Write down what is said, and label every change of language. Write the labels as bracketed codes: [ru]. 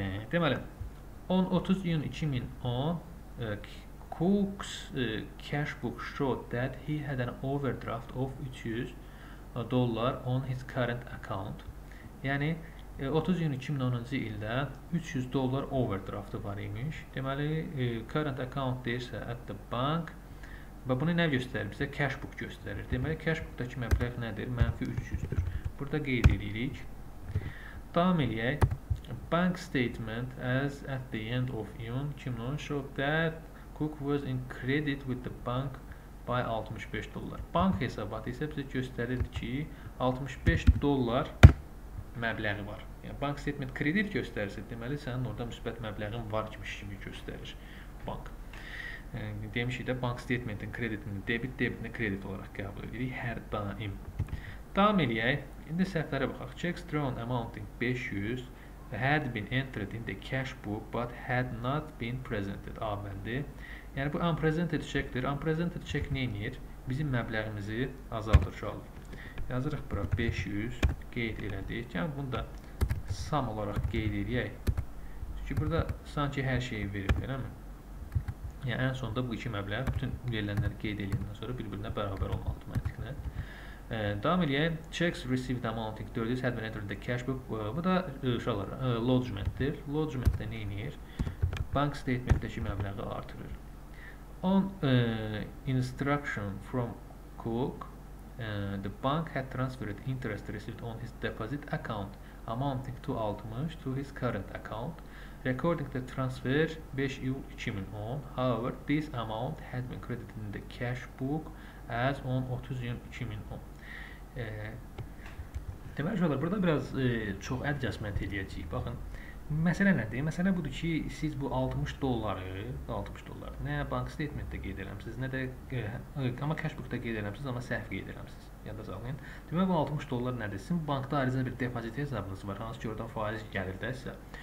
[az] Deməli, [en] 10-30 iyun 2010 Cook's cashbook showed that he had an overdraft of $300 on his current account. [az] Yəni 30 iyun 2010-cu ildə $300 overdraftı var imiş. Deməli current account deyirsə [en] at the bank [az] və bunu nə göstərir? Bizə cashbook göstərir. Deməli cashbookdakı məbləğ nədir? -$300-dür. Burada qeyd edirik. Davam edək. [en] Bank statement as at the end of June 2010 showed that Cook was in credit with the bank by $65. [az] Bank hesabatı isə bizə göstərirdi ki, $65 məbləği var. Yəni bank statement kredit göstərirsə, deməli sənin orada müsbət məbləğin var kimi göstərir bank. Demişik də bank statementin kreditini debit, debitini kredit olaraq qəbul edirik hər daim. Davam edək. İndi səhvlərə baxaq. [en] Checks drawn amounting 500 had been entered in the cash book but had not been presented. [az] Amendi. Yəni bu unpresented checkdir. Unpresented check nə edir? Bizim məbləğimizi azaldır, çoxalır. Yazırıq bura 500 qeyd elədik. Yəni bunu da sum olaraq qeyd edək. Çünki burada sanki hər şeyi verib, eləmi? Yəni ən sonda bu iki məbləğ bütün verilənləri qeyd eləyəndən sonra bir-birinə bərabər olmalı mantiqlə. Davam edək. [en] Checks received amounting 400 had been entered in the cash book. [az] Bu da uşaqlar lodgement-dir. Lodgement də nə edir? Bank statement-dəki məbləği artırır. [en] On instruction from Cook, the bank had transferred interest received on his deposit account amounting to 60 to his current account. Recording the transfer 5 iyul 2010. However, this amount had been credited in the cash book as on 30 iyun 2010. [az] Deməli uşaqlar, burada biraz çox adjustment edəcəyik. Baxın, məsələ nədir? Məsələ budur ki, siz bu 60 dolları nə bank statementdə qeyd eləmisiniz, nə də amma cashbookda qeyd eləmisiniz, amma səhv qeyd eləmisiniz. Yada saxlayın. Deməli bu 60 dollar nədir? Sizin bankda ayrıcə bir depozit hesabınız var, hansı ki oradan faiz gəlir dəsə.